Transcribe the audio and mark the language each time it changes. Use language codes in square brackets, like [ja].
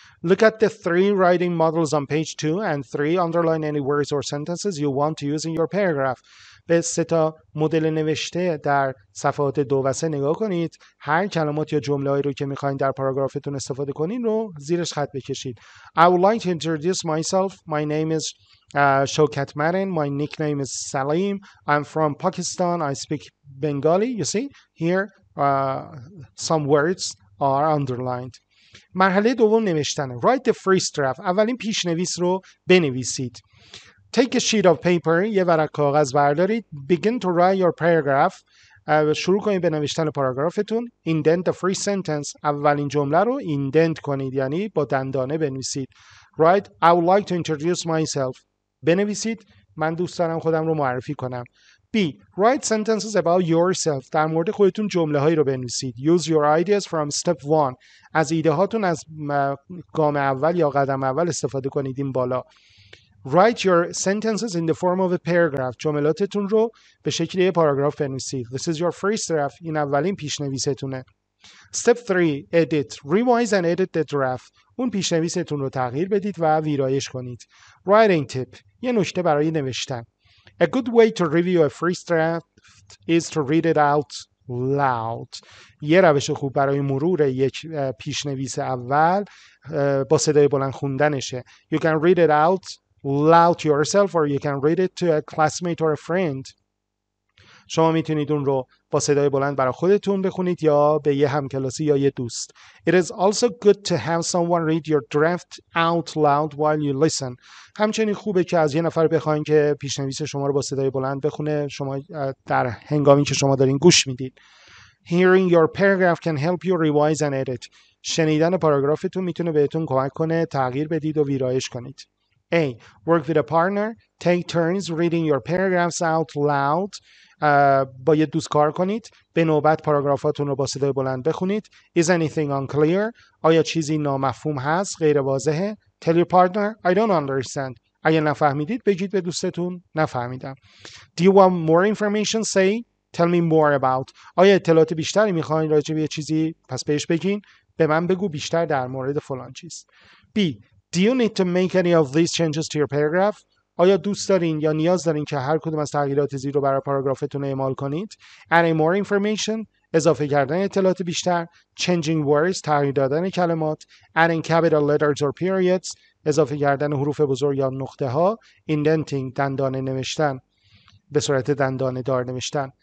[en] Look at the 3 writing models on page 2 and 3. Underline any words or sentences you want to use in your paragraph. [fa] به 3 تا مدل نوشته در صفحات 2 و 3 نگاه کنید. هر کلمات یا جمله‌ای رو که می‌خواید در پاراگرافتون استفاده کنین رو زیرش خط بکشید. [en] I would like to introduce myself. My name is Shaukat Marin. My nickname is Salim. I'm from Pakistan. I speak Bengali. You see? Here some words are underlined. [fa] مرحله دوم نوشتنه. [en] Write the first draft. [fa] اولین پیشنویس رو بنویسید. [en] Take a sheet of paper. [fa] یه ورق کاغذ بردارید. [en] Begin to write your paragraph. [fa] شروع کنید به نوشتن پاراگرافتون. [en] Indent the first sentence. [fa] اولین جمله رو indent کنید. یعنی با دندانه بنویسید. [en] Write, I would like to introduce myself. [fa] بنویسید. من دوست دارم خودم رو معرفی کنم. B. [en] Write sentences about yourself. [fa] در مورد خودتون جمله هایی رو بنویسید. [en] Use your ideas from step one. [fa] از ایده هاتون از گام اول یا قدم اول استفاده کنید این بالا. [en] Write your sentences in the form of a paragraph. [fa] جملاتتون رو به شکل یه پاراگراف بنویسید. [en] This is your first draft. [fa] این اولین پیشنویستونه. [en] Step 3. Edit. Revise and edit the draft. [fa] اون پیشنویستون رو تغییر بدید و ویرایش کنید. [en] Writing tip. [fa] یه نکته برای نوشتن. [en] A good way to review a first draft is to read it out loud. [fa] یه روش خوب برای مرور یک پیشنویس اول با صدای بلند خوندنشه. [en] You can read it out loud to yourself or you can read it to a classmate or a friend. [fa] شما میتونید اون رو با صدای بلند برای خودتون بخونید یا به یه همکلاسی یا یه دوست. [en] It is also good to have someone read your draft out loud while you listen. [fa] همچنین خوبه که از یه نفر بخواید که پیشنویس شما رو با صدای بلند بخونه شما در هنگامی که شما دارین گوش میدید. [en] Hearing your paragraph can help you revise and edit. [fa] شنیدن پاراگرافتون میتونه بهتون کمک کنه تغییر بدید و ویرایش کنید. [en] A. Work with a partner. Take turns reading your paragraphs out loud. [fa] با یه دوست کار کنید. به نوبت پاراگرافاتون رو با صدای بلند بخونید. [en] Is anything unclear? [fa] آیا چیزی نامفهوم هست؟ غیر واضحه؟ [en] Tell your partner, I don't understand. [fa] اگه نفهمیدید بگید به دوستتون نفهمیدم. [en] Do you want more information? Say, tell me more about. [fa] آیا اطلاعات بیشتری میخواین راجع به چیزی؟ پس بهش بگین. به من بگو بیشتر در مورد فلان چیز. [en] B. Do you need to make any of these changes to your paragraph? [fa] آیا دوست دارین یا نیاز دارین که هر کدوم از تغییرات زیر رو برای پاراگرافتون اعمال کنید؟ [en] Adding more information، [fa] اضافه کردن اطلاعات بیشتر، [en] changing words، [fa] تغییر دادن کلمات، [en] adding capital letters or periods، [fa] اضافه کردن حروف بزرگ یا نقطه ها، indenting، دندانه نوشتن، به صورت دندانه دار نوشتن.